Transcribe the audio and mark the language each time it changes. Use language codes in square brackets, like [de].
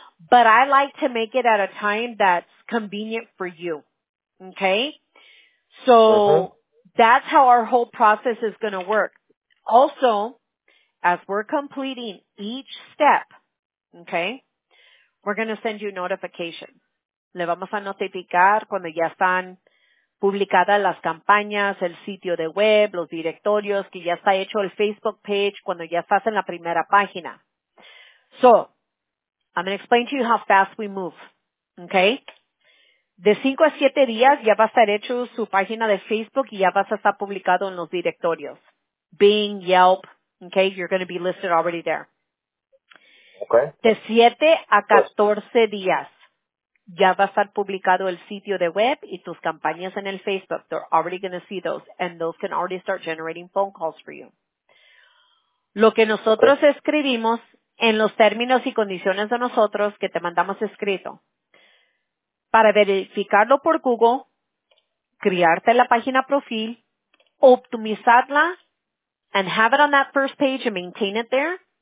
[en] But I like to make it at a time that's convenient for you, okay? So that's how our whole process is going to work. Also, as we're completing each step, okay, we're going to send you notification. [es] Le vamos a notificar cuando ya están publicadas las campañas, el sitio de web, los directorios, que ya está hecho el Facebook page, cuando ya estás en la primera página. [en] So, I'm going to explain to you how fast we move, okay? [es] De 5 a 7 días ya va a estar hecho su página de Facebook y ya vas a estar publicado en los directorios. [en] Bing, Yelp, okay? You're going to be listed already there. Okay. [es] De 7 a 14 días ya va a estar publicado el sitio de web y tus campañas en el Facebook. [en] They're already going to see those, and those can already start generating phone calls for you. [es] Lo que nosotros escribimos en los términos y condiciones de nosotros que te mandamos escrito, para verificarlo por Google, crearte la página profil, optimizarla, [en] and have it on that first page and maintain it there.